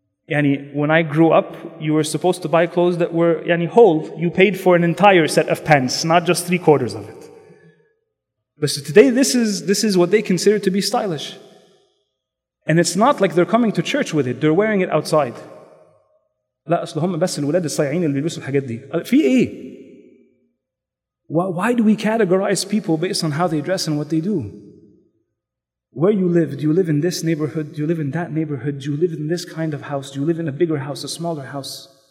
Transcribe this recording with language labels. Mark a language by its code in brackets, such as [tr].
[en] Yani, when I grew up, you were supposed to buy clothes that were yani, whole. You paid for an entire set of pants, not just three quarters of it. But so today, this is what they consider to be stylish. And it's not like they're coming to church with it. They're wearing it outside. [ar] لا أصل هم بس الولاد الصيعين اللي بيلبسوا الحاجات دي. في إيه؟ [en] Why do we categorize people based on how they dress and what they do? Where you live, do you live in this neighborhood? Do you live in that neighborhood? Do you live in this kind of house? Do you live in a bigger house, a smaller house?